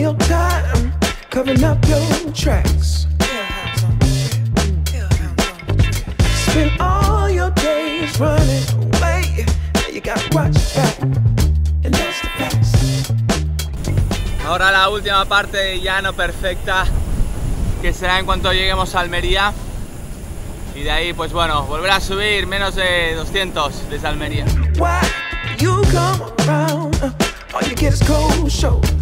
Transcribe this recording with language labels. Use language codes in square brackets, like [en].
[en] Covering up your tracks. Spend all your days running away. Now you gotta watch your back. And that's the facts. [es] Ahora la última parte de Llano Perfecta, que será en cuanto lleguemos a Almería. Y de ahí, pues bueno, volver a subir menos de 200 desde Almería. [en] Why you come around, all you get is cold show.